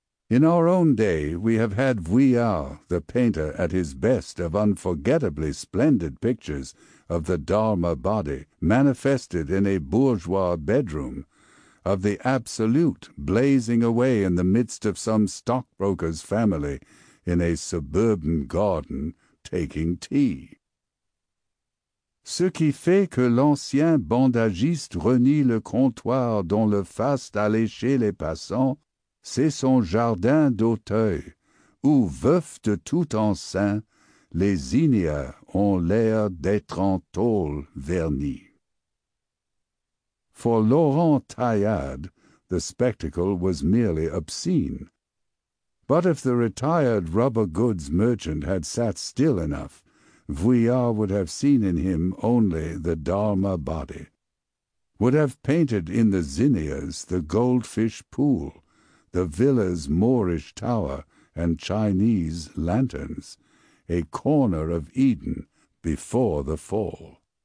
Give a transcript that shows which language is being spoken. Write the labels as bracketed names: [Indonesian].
[English] In our own day we have had Vuillard, the painter at his best of unforgettably splendid pictures of the Dharma body manifested in a bourgeois bedroom, of the absolute blazing away in the midst of some stockbroker's family in a suburban garden taking tea. [French] Ce qui fait que l'ancien bandagiste renie le comptoir dont le faste aller chez les passants, c'est son jardin d'Auteuil, où, veuf de tout enceint, les zinnias ont l'air d'être en tôle vernis. [English] For Laurent Taillade, the spectacle was merely obscene. But if the retired rubber goods merchant had sat still enough, Vuillard would have seen in him only the Dharma body, would have painted in the zinnias the goldfish pool, the villa's Moorish tower and Chinese lanterns, a corner of Eden before the fall.